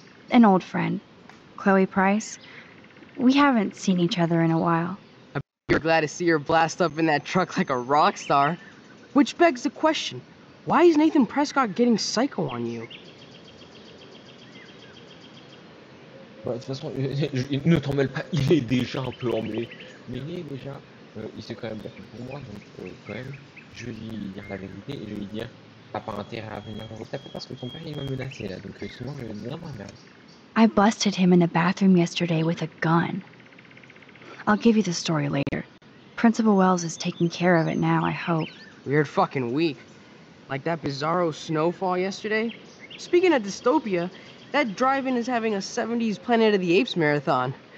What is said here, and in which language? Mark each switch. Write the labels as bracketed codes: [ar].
[en] An old friend, Chloe Price. We haven't seen each other in a while. You're glad to see her blast up in that truck like a rock star. Which begs the question, why is Nathan Prescott getting psycho on you? [fr] De toute façon, ne t'en mêle pas, il est déjà un peu emmêlé. Mais il est déjà, il s'est quand même battu pour moi, donc quand même, je vais lui dire la vérité et je vais lui dire, t'as pas intérêt à venir dans le tapis parce que ton père il m'a menacé là, donc souvent je vais lui dire ma mère. [en] I busted him in the bathroom yesterday with a gun. I'll give you the story later. Principal Wells is taking care of it now, I hope. Weird fucking week. Like that bizarro snowfall yesterday? Speaking of dystopia, that drive-in is having a 70s Planet of the Apes marathon.